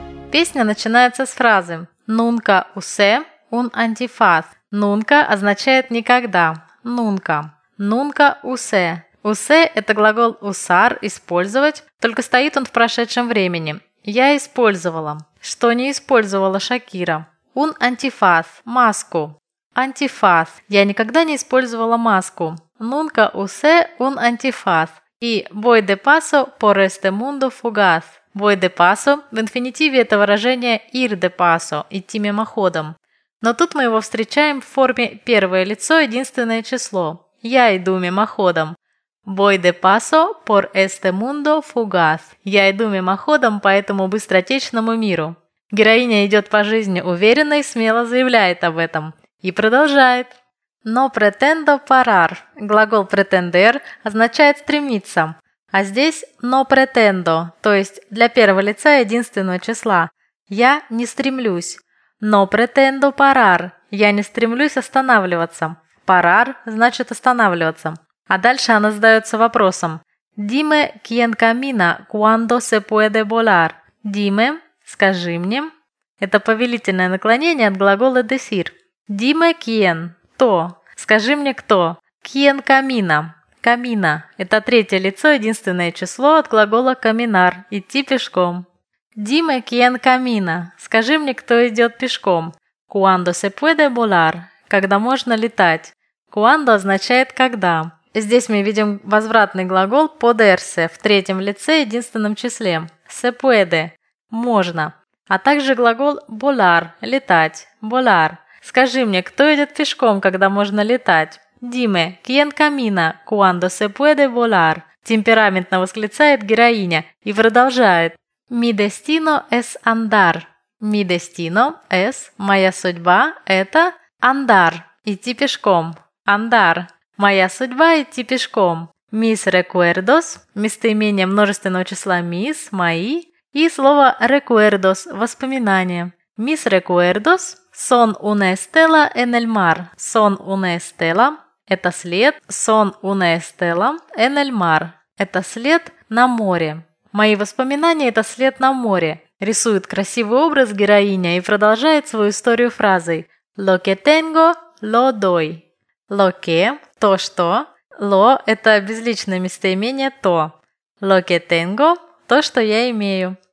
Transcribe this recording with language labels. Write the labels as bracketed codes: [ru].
[ru] Песня начинается с фразы «Нунка усе». [es] Un antifaz. [ru] Nunca означает никогда. [es] Nunca. Nunca usé. [ru] Usé – это глагол usar – использовать, только стоит он в прошедшем времени. Я использовала. Что не использовала Шакира? [es] Un antifaz – маску. [ru] Антифаз. Я никогда не использовала маску. [es] Nunca usé un antifaz. И voy de paso por este mundo fugaz. Voy de paso [ru] – в инфинитиве это выражение [es] ir de paso [ru] – идти мимоходом. Но тут мы его встречаем в форме первое лицо, единственное число. Я иду мимоходом. [es] Voy de paso por este mundo fugaz. [ru] Я иду мимоходом по этому быстротечному миру. Героиня идет по жизни уверенно и смело заявляет об этом. И продолжает. [es] No pretendo parar. [ru] Глагол pretender означает стремиться. А здесь [es] no pretendo, [ru] то есть для первого лица единственного числа. Я не стремлюсь. [es] No pretendo parar. [ru] Я не стремлюсь останавливаться. Parar значит останавливаться. А дальше она задается вопросом. [es] Dime quién camina cuando se puede volar. [ru] Dime, скажи мне. Это повелительное наклонение от глагола decir. [es] Dime quién, кто. [ru] Скажи мне кто. [es] Quién camina. [ru] Camina – это третье лицо, единственное число от глагола caminar – идти пешком. [es] Dime quién camina [ru] – скажи мне, кто идет пешком. [es] Cuando se puede volar – [ru] когда можно летать. Cuando означает «когда». Здесь мы видим возвратный глагол poderse в третьем лице, единственном числе. [es] Se puede – можно. [ru] А также глагол volar – летать. Volar – скажи мне, кто идет пешком, когда можно летать. [es] Dime, ¿quién camina cuando se puede volar? [ru] Темпераментно восклицает героиня и продолжает. [es] Mi destino es andar. Mi destino es, [ru] моя судьба, это andar, идти пешком. Andar, моя судьба, идти пешком. Mis recuerdos, местоимение множественного числа mis, мои, и слово recuerdos, воспоминания. [es] Mis recuerdos son una estela en el mar. Son una estela. [ru] Это след, [es] son una estela en el mar. [ru] Это след на море. Мои воспоминания – это след на море. Рисует красивый образ героиня и продолжает свою историю фразой. [es] Lo que tengo, lo doy. Lo que – [ru] то, что. Lo – это безличное местоимение «то». [es] Lo que tengo [ru] – то, что я имею.